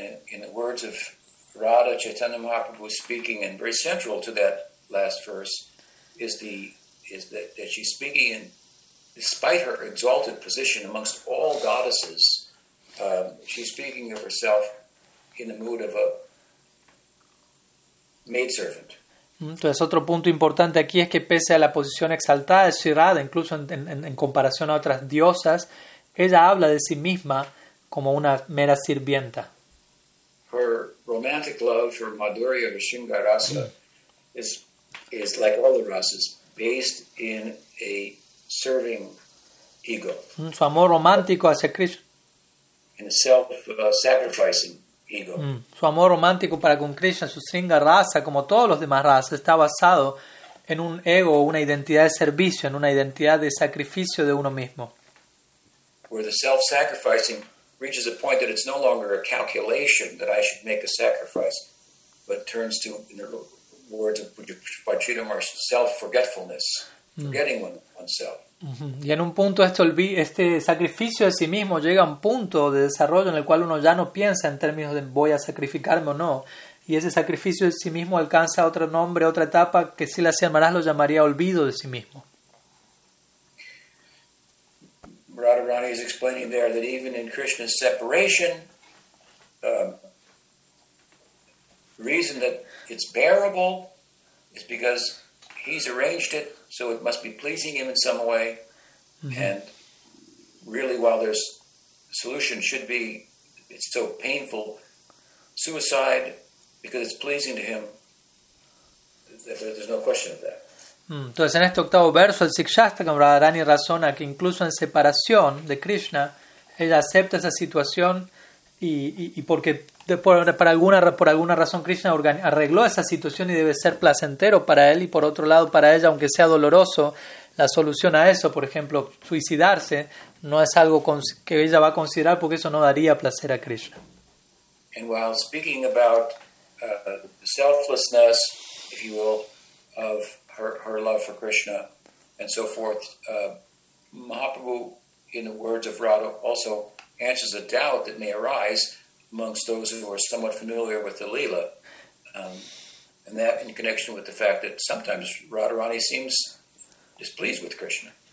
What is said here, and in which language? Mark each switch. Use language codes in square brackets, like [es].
[en] In the words of Radha, Chaitanya Mahaprabhu was speaking, and very central to that last verse is that she's speaking in, despite her exalted position amongst all goddesses, she's speaking of herself in the mood of a maidservant. [es] Entonces, otro punto importante aquí es que pese a la posición exaltada de Sri Radha, incluso en comparación a otras diosas, ella habla de sí misma como una mera sirvienta. [en] Her romantic love for Madhurya or Shinga Rasa is like all the rasas, based in a serving ego. [es] Su amor romántico hacia Krishna. [en] In a self-sacrificing ego. [es] Su amor romántico para con Krishna, su Shinga Rasa, como todos los demás rasas, está basado en un ego, una identidad de servicio, en una identidad de sacrificio de uno mismo. [en] Where the self-sacrificing reaches a point that it's no longer a calculation that I should make a sacrifice, but turns to, in the words of Pachitamar, self-forgetfulness, forgetting oneself. [es] Y en un punto este sacrificio de sí mismo llega a un punto de desarrollo en el cual uno ya no piensa en términos de voy a sacrificarme o no, y ese sacrificio de sí mismo alcanza otro nombre, otra etapa, que si la llamarás lo llamaría olvido de sí mismo. [en] Radharani is explaining there that even in Krishna's separation, the reason that it's bearable is because he's arranged it, so it must be pleasing him in some way. Mm-hmm. And really, while there's solution should be, it's so painful, suicide, because it's pleasing to him, there's no question of that. [es] Entonces, en este octavo verso, el Shikshastakam, Radharani razona que incluso en separación de Krishna, ella acepta esa situación y porque por alguna razón Krishna arregló esa situación y debe ser placentero para él, y por otro lado, para ella, aunque sea doloroso, la solución a eso, por ejemplo, suicidarse, no es algo que ella va a considerar porque eso no daría placer a Krishna. [en] And while speaking about selflessness, if you will, of her love for Krishna and so forth, Mahaprabhu, in the words of Radha, also answers a doubt that may arise amongst those who are somewhat familiar with the Leela, and that in connection with the fact that sometimes Radharani seems displeased with Krishna.